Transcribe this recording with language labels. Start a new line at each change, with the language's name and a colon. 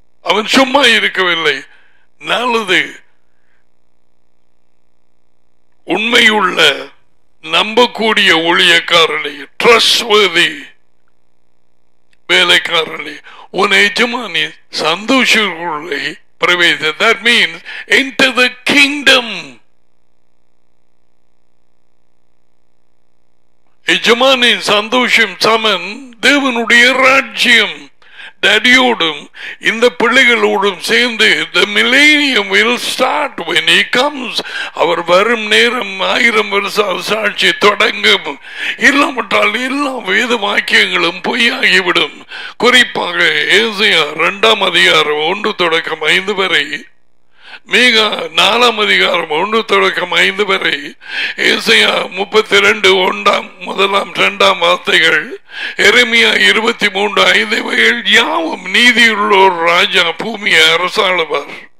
Tamil: அவன் சும்மா இருக்கவில்லை. நல்லது, உண்மையுள்ள நம்பக்கூடிய ஊழியக்காரனே, ட்ரஸ்ட்வர்தி வேலைக்காரனே, உன் எஜமானி சந்தோஷக்குள்ளே பிரவேச.
English: That means enter the kingdom.
Tamil: எஜமானின் சந்தோஷம் சமன் தேவனுடைய ராஜ்யம். டாடியோடும் இந்த பிள்ளைகளோடும் சேர்ந்து
English: the millennium will start when he comes.
Tamil: அவர் வரும் நேரம் 1000 வருஷம் சாட்சி தொடங்கும். இல்லாவிட்டால் எல்லா வேத வாக்கியங்களும் பொய்யாகிவிடும். குறிப்பாக ஏசியா 2:1-5 மேகா 4:1-5 ஏசையா 32:1-2 எரேமியா 23:5 யாவும் நீதியுள்ளோர் ராஜா பூமிய அரசாளுவார்.